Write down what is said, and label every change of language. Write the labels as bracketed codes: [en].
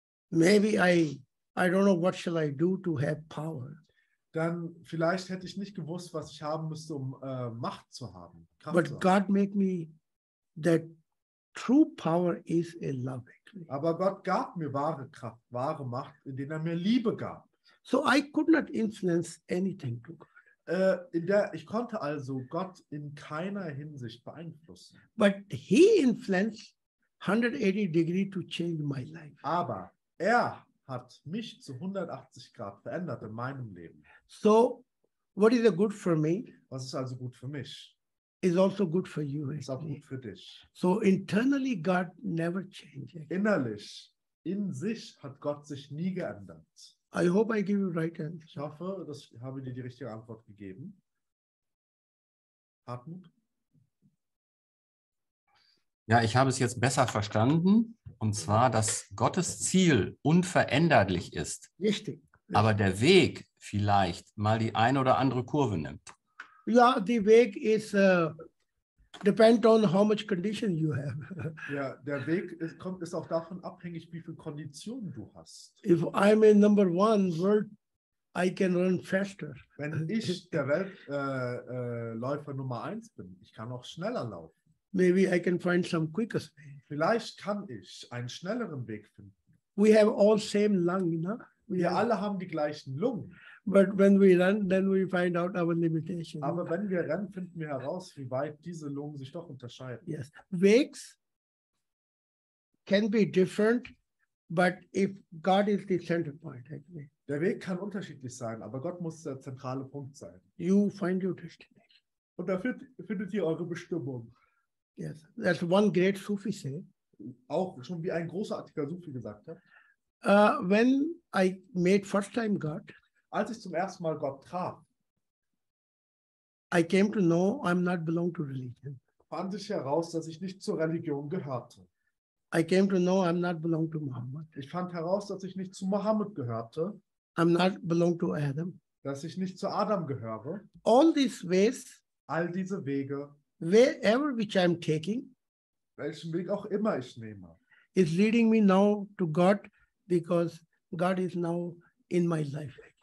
[en] maybe I don't know what shall I do to have power. [de] Dann vielleicht hätte ich nicht gewusst, was ich haben müsste, um Macht zu haben. Kraft. [en] But God made me that true power is a love. [de] Aber Gott gab mir wahre Kraft, wahre Macht, indem er mir Liebe gab. [en] So I could not influence anything to God. [de] Ich konnte also Gott in keiner Hinsicht beeinflussen. [en] But he influenced 180 degree to change my life. [de] Aber er hat mich zu 180 Grad verändert in meinem Leben. [en] So, what is good for me? [de] Was ist also gut für mich? [en] Is also good for you. [de] Ist auch gut für dich. [en] So internally God never changes. [de] Innerlich, in sich hat Gott sich nie geändert. [en] I hope I give you right answer. [de] Ich hoffe, dass ich habe dir die richtige Antwort gegeben. Hartmut? Ja, ich habe es jetzt besser verstanden. Und zwar, dass Gottes Ziel unveränderlich ist. Richtig. Aber der Weg vielleicht mal die eine oder andere Kurve nimmt. Ja, der Weg ist [en] depend on how much condition you have. [de] Ja, der Weg ist auch davon abhängig, wie viel Konditionen du hast. [en] If I'm in number one world, I can run faster. [de] Wenn ich der Weltläufer Nummer eins bin, ich kann auch schneller laufen. [en] Maybe I can find some quickest way. [de] Vielleicht kann ich einen schnelleren Weg finden. [en] We have all same lung, you know? [de] Wir alle haben die gleichen Lungen. [en] But when we run, then we find out our limitation. [de] Aber wenn wir rennen, finden wir heraus, wie weit diese Lungen sich doch unterscheiden. [en] Yes. Wegs can be different, but if God is the center point, I think. [de] Der Weg kann unterschiedlich sein, aber Gott muss der zentrale Punkt sein. [en] You find your destiny. [de] Und da findet ihr eure Bestimmung. [en] Yes. That's one great Sufi say. [de] Auch schon wie ein großartiger Sufi gesagt hat. [en] When I made first time God, [de] als ich zum ersten Mal Gott traf, [en] I came to know I'm not belong to religion. [de] Fand ich heraus, dass ich nicht zur Religion gehörte. [en] I came to know I'm not belong to Muhammad. [de] Ich fand heraus, dass ich nicht zu Muhammad gehörte. [en] I'm not belong to Adam. [de] Dass ich nicht zu Adam gehöre. [en] All these ways, [de] all diese Wege, [en] wherever which I'm taking, [de] welchen Weg auch immer ich nehme, [en] is leading me now to God, because God is now in my life.